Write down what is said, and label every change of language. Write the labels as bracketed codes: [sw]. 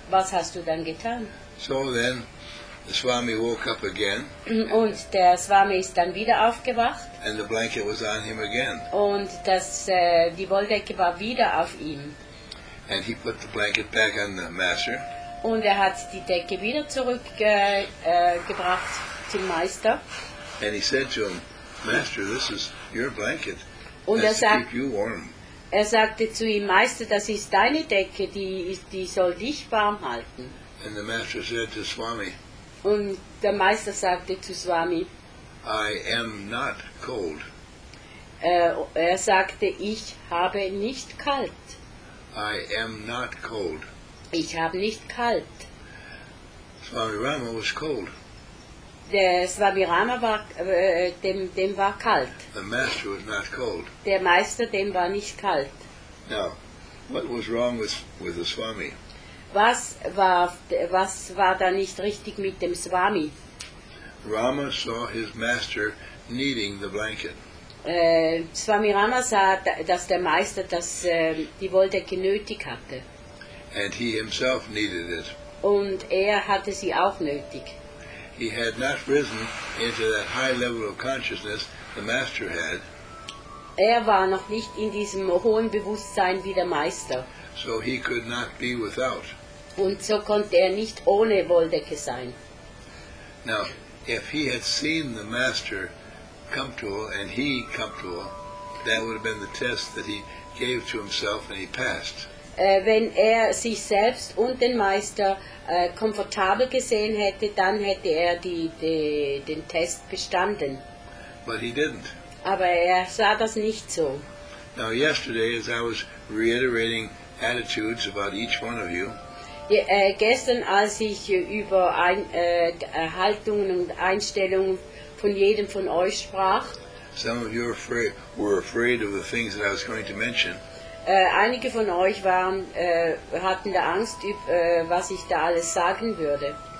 [de] Was hast du dann getan? [en] So then, the Swami woke up again, [de] und der Swami ist dann wieder aufgewacht, [en] and the blanket was on him again, [de] und die Wolldecke war wieder auf ihm, [en] and he put the blanket back on the master. [de] Und er hat die Decke wieder zurückgebracht zum Meister. [en] And he said to him, Master, this is your blanket. [de] Und er sagt, [en] to keep you warm. [de] Er sagte zu ihm, Meister, das ist deine Decke, die soll dich warm halten. [en] And the master said to Swami, [de] und der Meister sagte zu Swami, [en] I am not cold. [de] Er sagte, ich habe nicht kalt. [en] I am not cold. [de] Ich habe nicht kalt. [en] Swami Rama was cold. [de] Der Swami Rama war, dem war kalt. [en] The master was not cold. [de] Der Meister, dem war nicht kalt. [en] Now, what was wrong with the Swami? [de] Was war da nicht richtig mit dem Swami? [en] Rama saw his master needing the blanket. [de] Swami Rama sah, dass der Meister die Wolldecke nötig hatte. [en] And he himself needed it. [de] Und er hatte sie auch nötig. [en] He had not risen into that high level of consciousness the master had. [de] Er war noch nicht in diesem hohen Bewusstsein wie der Meister. [en] So he could not be without. [de] Und so konnte er nicht ohne Wolldecke sein. [en] Now, if he had seen the master comfortable and he comfortable, that would have been the test that he gave to himself and he passed. [de] Wenn er sich selbst und den Meister komfortabel gesehen hätte, dann hätte er den Test bestanden. [en] But he didn't. [de] Aber er sah das nicht so. [en] Now yesterday, as I was reiterating attitudes about each one of you, [de] gestern, als ich über Haltungen und Einstellungen von jedem von euch sprach, [en] some of you were afraid of the things that I was going to mention. [de] Einige von euch hatten da Angst, was ich da alles sagen würde.